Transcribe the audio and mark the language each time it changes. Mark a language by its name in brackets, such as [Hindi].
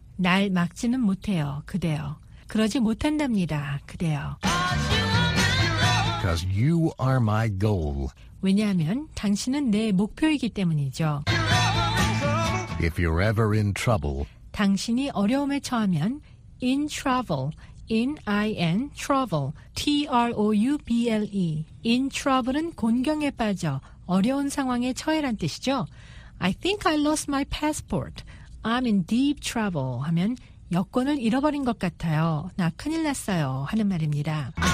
[Korean] 날 막지는 못해요, 그대요. 그러지 못한답니다, 그대요. [English] Because you are my goal. [Korean] 왜냐하면 당신은 내 목표이기 때문이죠. [English] If you're ever in trouble. [Korean] 당신이 어려움에 처하면 [English] in trouble, in I-N, trouble, T-R-O-U-B-L-E. [Korean] In trouble은 곤경에 빠져 어려운 상황에 처해란 뜻이죠. [English] I think I lost my passport. I'm in deep trouble [Korean] 하면 여권을 잃어버린 것 같아요. 나 큰일 났어요 하는 말입니다.